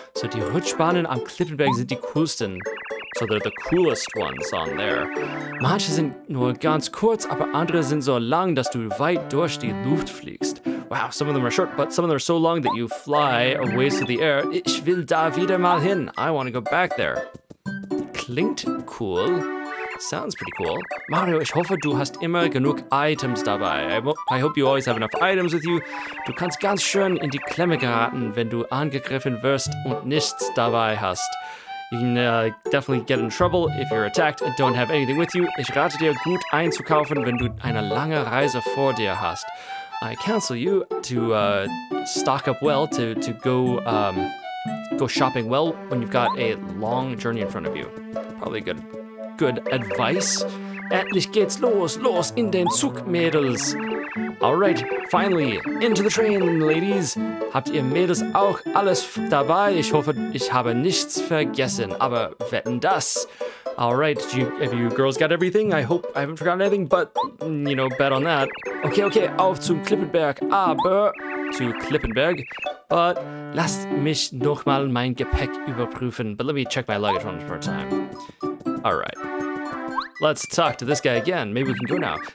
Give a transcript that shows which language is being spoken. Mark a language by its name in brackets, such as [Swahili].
[German] So die Rutschbahnen am Klippenberg sind die coolsten. [English] So they're the coolest ones on there. [German] Manche sind nur ganz kurz, aber andere sind so lang, dass du weit durch die Luft fliegst. [English] Wow, some of them are short, but some of them are so long that you fly a ways through the air. [German] Ich will da wieder mal hin. [English] I want to go back there. [German] Klingt cool. [English] Sounds pretty cool. [German] Mario, ich hoffe, du hast immer genug Items dabei. [English] I hope you always have enough items with you. [German] Du kannst ganz schön in die Klemme geraten, wenn du angegriffen wirst und nichts dabei hast. [English] You can definitely get in trouble if you're attacked and don't have anything with you. [German] Ich rate dir, gut einzukaufen, wenn du eine lange Reise vor dir hast. [English] I counsel you to stock up well, to go, go shopping well when you've got a long journey in front of you. Probably good. Good advice. [German] Endlich geht's los, los in den Zug, Mädels. [English] All right, finally, into the train, ladies. [German] Habt ihr Mädels auch alles dabei? Ich hoffe, ich habe nichts vergessen, aber wetten das. [English] All right, have you girls got everything? I hope I haven't forgotten anything, but, you know, bet on that. [German] Okay, auf zum Klippenberg, aber... [English] To Klippenberg, but... [German] Lasst mich nochmal mein Gepäck überprüfen, [English] but let me check my luggage one more time. All right. Let's talk to this guy again. Maybe we can go now.